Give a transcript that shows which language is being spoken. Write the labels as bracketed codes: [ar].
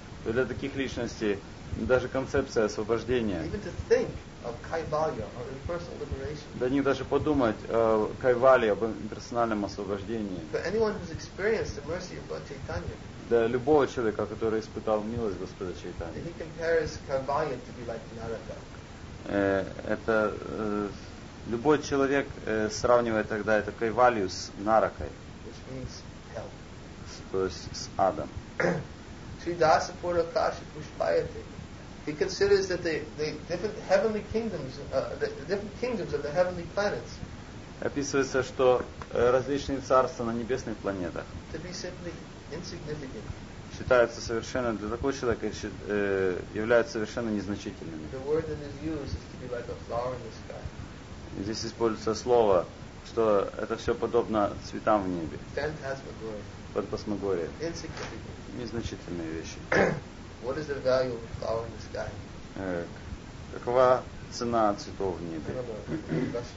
[ru] Для таких личностей даже концепция освобождения. [en] Even to think of kaivalya, or impersonal liberation. [ru] Для них даже подумать о кайвале, об имперсональном освобождении. [en] For anyone who's experienced the mercy of Lord Chaitanya. [ru] для любого человека, который испытал милость Господа Чайтаньи. [en] He compares Kaivalya to be like Narada. [ru] Любой человек сравнивает тогда это Кайвалью с Наракой. [en] Which means hell. [ru] То есть с адом. [sa] Sridasa Purakasha Pushpayate. [en] He considers that the different heavenly kingdoms, the different kingdoms of the heavenly planets. [ru] Описывается, что различные царства на небесных планетах. [en] To be simply insignificant. [ru] Считаются совершенно для такого человека являются совершенно незначительными. [en] The word that is used is to be like a flower in the sky. [ru] Здесь используется слово, что это все подобно цветам в небе. Фантасмагория. Незначительные вещи. [en] What is the value of a flower in the sky? [ru] Какова цена цветов в небе?